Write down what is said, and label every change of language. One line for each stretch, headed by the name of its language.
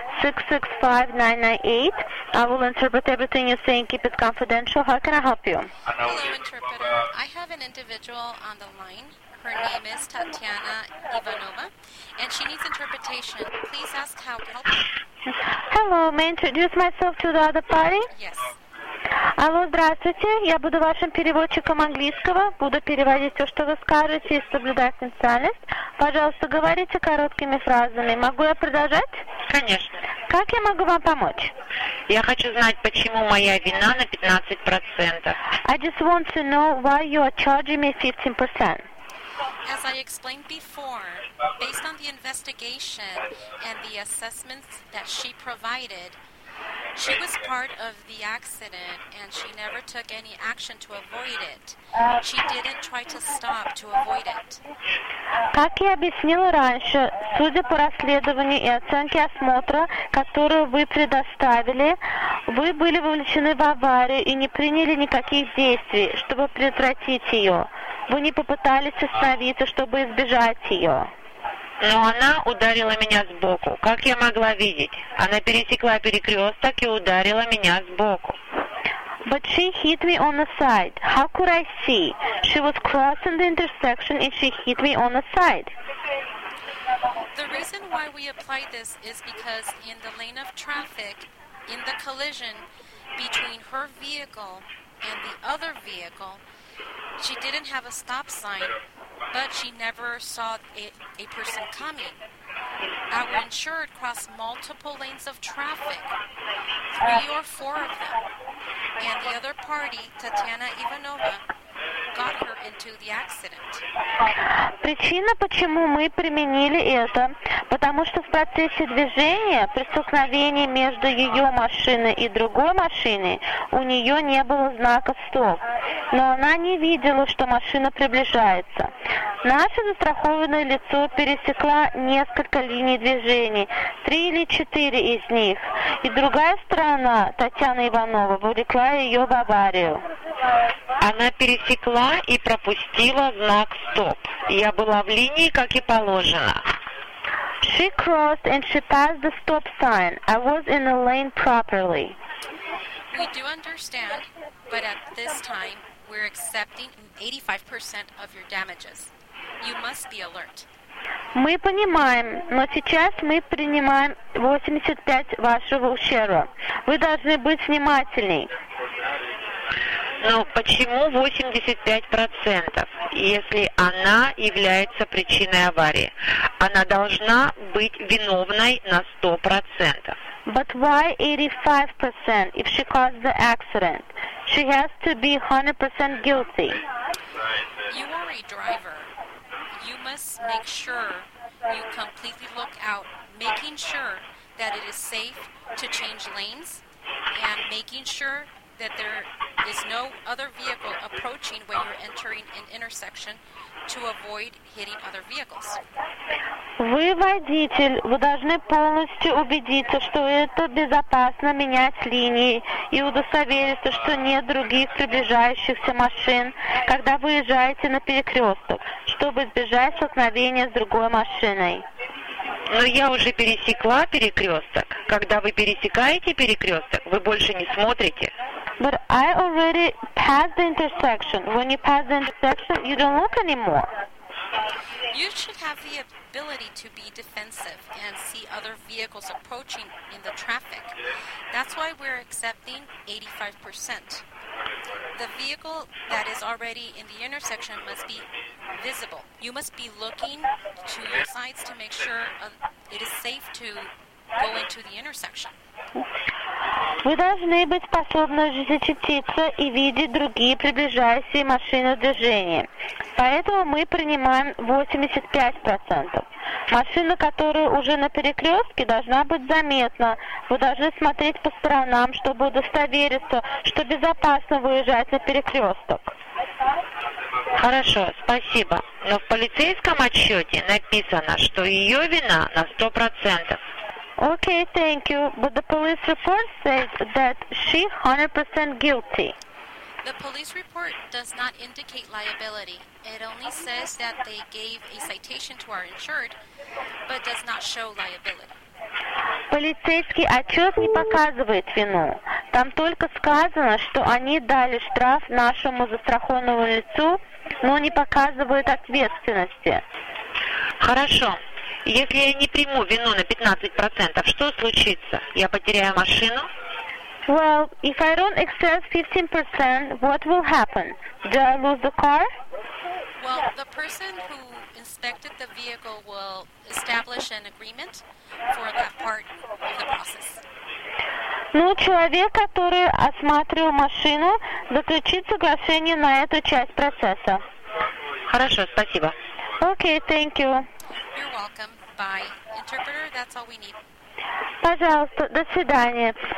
English: 665-998. I will interpret everything you're saying. Keep it confidential. How can I help you? Hello, interpreter. I have an individual on the line. Her name is Tatiana Ivanova, and she needs interpretation. Please ask how to help her. Hello. May I introduce myself to the other party? Yes.
Russian: Алло, здравствуйте. Я буду вашим переводчиком английского. Буду переводить все, что вы скажете, и соблюдать официальность. Пожалуйста, говорите короткими фразами. Могу я продолжать? Конечно. Как я могу вам помочь? Я хочу знать, почему моя вина на 15%.
English: I just want to know why you are charging me 15%. As I explained before, based on the investigation and the assessments that she provided, she was part of the accident, and she never took any action to avoid it. She didn't try to stop to avoid it.
Russian: Как я объяснила раньше, судя по расследованию и оценке осмотра, которую вы предоставили, вы были вовлечены в аварию и не приняли никаких действий, чтобы предотвратить ее. Вы не попытались остановиться, чтобы избежать ее. Но она ударила меня сбоку. Как я могла видеть? Она пересекла перекресток и ударила меня сбоку.
English: But she hit me on the side. How could I see? She was crossing the intersection and she hit me on the side. The reason why we apply this is because in the lane of traffic, in the collision between her vehicle and the other vehicle, she didn't have a stop sign. But she never saw a person coming. Our insured crossed multiple lanes of traffic, three or four of them. And the other party, Tatiana Ivanova, got her into the accident.
Russian: Причина, почему мы применили это, потому что в процессе движения, при столкновении между ее машиной и другой машиной, у нее не было знака стоп. Но она не видела, что машина приближается. Наше застрахованное лицо пересекло несколько линий движений, три или четыре из них. И другая сторона, Татьяна Иванова, вовлекла ее в аварию. Она пересекла и пропустила знак «Стоп». Я была в линии, как и положено.
English: She crossed and she passed the stop sign. I was in the lane properly. We do understand, but at this time we're accepting 85% of your damages. You must be alert.
Russian: Мы понимаем, но сейчас мы принимаем 85% вашего ущерба. Вы должны быть внимательны. Но почему 85%, если она является причиной аварии? Она должна быть виновной на 100%.
English: But why 85% if she caused the accident? She has to be 100% guilty. You are a driver. You must make sure you completely look out, making sure that it is safe to change lanes and making sure that there is no other vehicle approaching when you're entering an intersection to avoid hitting other vehicles.
Russian: Вы водитель, вы должны полностью убедиться, что это безопасно менять линии и удостовериться, что нет других приближающихся машин, когда выезжаете на перекресток, чтобы избежать столкновения с другой машиной. Но я уже пересекла перекресток. Когда вы пересекаете перекресток, вы больше не смотрите.
English: But I already passed the intersection. When you pass the intersection, you don't look anymore. You should have the ability to be defensive and see other vehicles approaching in the traffic. That's why we're accepting 85%. The vehicle that is already in the intersection must be visible. You must be looking to your sides to make sure it is safe to go into the intersection.
Russian: Вы должны быть способны защититься и видеть другие приближающиеся машины движения. Поэтому мы принимаем 85%. Машина, которая уже на перекрестке, должна быть заметна. Вы должны смотреть по сторонам, чтобы удостовериться, что безопасно выезжать на перекресток. Хорошо, спасибо. Но в полицейском отчете написано, что ее вина на 100%.
English: Okay, thank you. But the police report says that she 100% guilty. The police report does not indicate liability. It only says that they gave a citation to our insured, but does not show liability.
Russian: Полицейский отчет не показывает вину. Там только сказано, что они дали штраф нашему застрахованному лицу, но не показывают ответственности. Хорошо. Если я не приму вину на 15%, что случится? Я потеряю машину?
English: Well, if I don't accept 15%, what will happen? Do I lose the car? Well, the person who inspected the vehicle will establish an agreement for that part of the process.
Russian: Ну, человек, который осматривал машину, заключит соглашение на эту часть процесса. Хорошо, спасибо.
English: Okay, thank you. You're welcome. Bye. Interpreter, that's all we need.
Russian: Пожалуйста, до свидания.